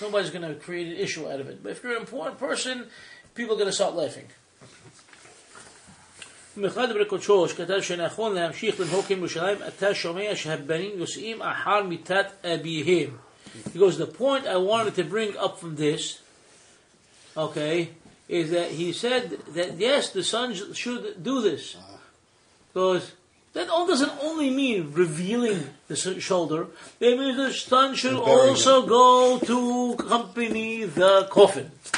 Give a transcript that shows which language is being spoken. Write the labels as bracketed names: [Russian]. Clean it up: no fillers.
[English] Nobody's going to create an issue out of it. But if you're an important person, people are going to start laughing. [Hebrew] מחד ברכות שוש כתב שנכון להמשיך לנהוג כמושלים, אתה שומע שהבנים יוסעים אחר מיטת אביהם. [English] Because the point I wanted to bring up from this, okay, is that he said that yes, the sons should do this. Because that all doesn't only mean revealing the shoulder. It means the son should also go to accompany the coffin.